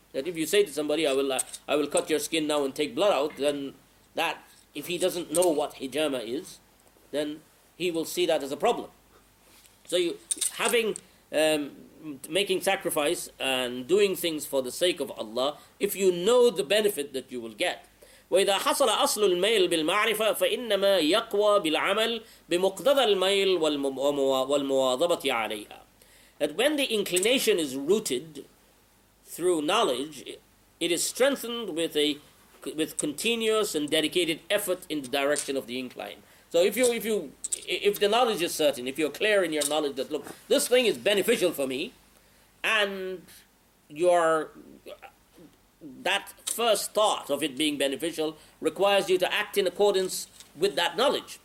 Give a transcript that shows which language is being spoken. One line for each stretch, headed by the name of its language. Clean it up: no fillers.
English: That if you say to somebody, I will cut your skin now and take blood out, then that, if he doesn't know what hijama is, then he will see that as a problem. So you, having, making sacrifice and doing things for the sake of Allah, if you know the benefit that you will get,
Arabic: وإذا حصل أصل الميل بالمعرفة فإنما يقوى بالعمل بمقتضى الميل والمواظبة عليها.
English: That when the inclination is rooted through knowledge, it is strengthened with a with continuous and dedicated effort in the direction of the incline. So if the knowledge is certain, if you're clear in your knowledge that look, this thing is beneficial for me, and your that first thought of it being beneficial requires you to act in accordance with that knowledge.